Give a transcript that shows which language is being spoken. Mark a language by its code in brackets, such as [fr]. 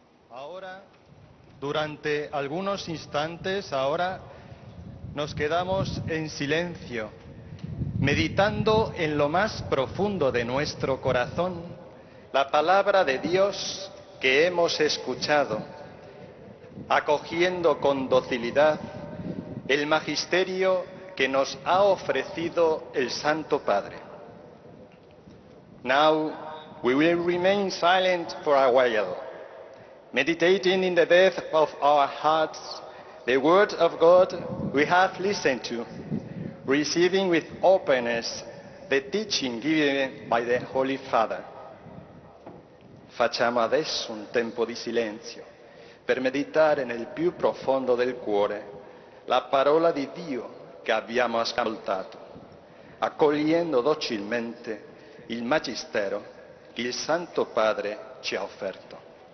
[es] Ahora, durante algunos instantes, ahora nos quedamos en silencio, meditando en lo más profundo de nuestro corazón la palabra de Dios que hemos escuchado, acogiendo con docilidad el magisterio que nos ha ofrecido el Santo Padre. [en] Now we will remain silent for a while, meditating in the depth of our hearts the word of God we have listened to, receiving with openness the teaching given by the Holy Father. [it] Facciamo adesso un tempo di silenzio per meditare nel più profondo del cuore la parola di Dio che abbiamo ascoltato, accogliendo docilmente il magistero che il Santo Padre ci ha offerto.